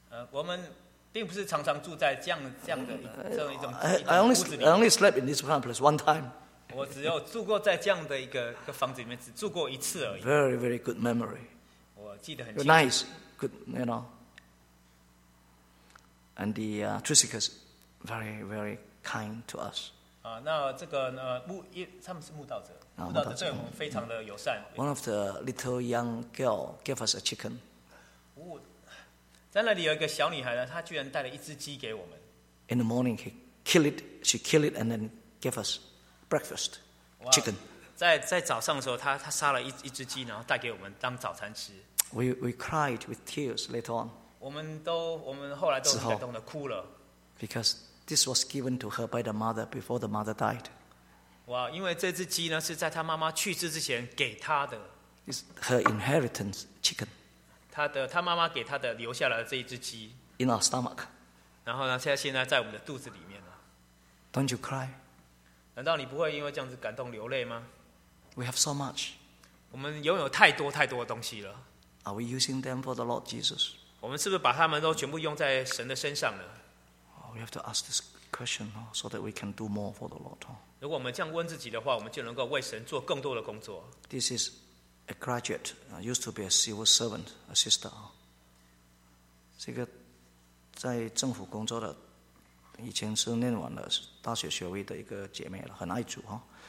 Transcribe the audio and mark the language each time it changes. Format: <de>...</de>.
<zh>我们并不是常常住在这样的一种。</zh> <en>I only slept in this kind of place one time.</en> <zh>我只有住过在这样的一个房子里面，只住过一次而已。</zh> <en>Very, very good memory.</en> <zh>我记得很清楚。</zh> <en>Nice. Good, and the Trisicus very, very kind to us.</en> <zh>那这个呢，他们是慕道者，慕道者对我们非常的友善。</zh> <en>One of the little young girl gave us a chicken.</en> <zh>在那里有一个小女孩呢，她居然带了一只鸡给我们。</zh> <en>In the morning, she killed it, and then gave us breakfast chicken.</en> <zh>在早上的时候，她杀了一只鸡，然后带给我们当早餐吃。</zh> <en>We cried with tears later on.</en> <zh>我们后来都很感动的哭了。</zh> <en>Because this was given to her by the mother before the mother died.</en> <zh>哇，因为这只鸡呢是在她妈妈去世之前给她的。</zh> <en>It's her inheritance chicken.</en> <zh>她妈妈给她的留下来的这一只鸡。</zh> <en>In our stomach.</en> <zh>然后呢，现在我们的肚子里面了。</zh> <en>Don't you cry?</en> <zh>难道你不会因为这样子感动流泪吗</zh> <en>？We have so much.</en> <zh>我们拥有太多太多的东西了。</zh> <en>Are we using them for the Lord Jesus?</en> <zh>我们是不是把他们都全部用在神的身上了</zh> <en>？We have to ask this question so that we can do more for the Lord.</en> <zh>如果我们这样问自己的话，我们就能够为神做更多的工作。</zh> <en>This is a graduate. I used to be a civil servant, a sister.</en> <zh>这个在政府工作的，以前是念完了大学学位的一个姐妹了，很爱主哈。</zh>